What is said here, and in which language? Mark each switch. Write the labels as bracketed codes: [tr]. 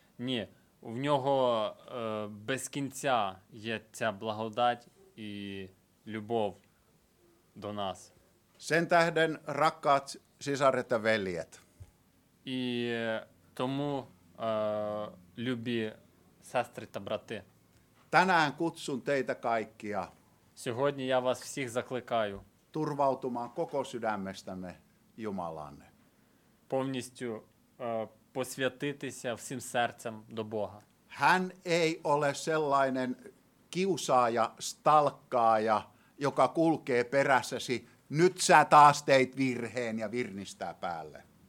[uk] Ні, в нього без кінця є ця благодать і любов до нас. [fi] Sen tähden, rakkaat sisaret ja veljet. [uk] І тому, любі сестри та брати. [fi] Tänään kutsun teitä kaikkia. [uk] Сьогодні я вас всіх закликаю. [fi] Turvautumaan koko sydämestämme Jumalanne. [uk] Повністю посвятитися всім серцем до Бога. [fi] Hän ei ole sellainen kiusaaja, stalkkaaja, joka kulkee perässäsi. Nyt sä taas teit virheen ja virnistää päälle.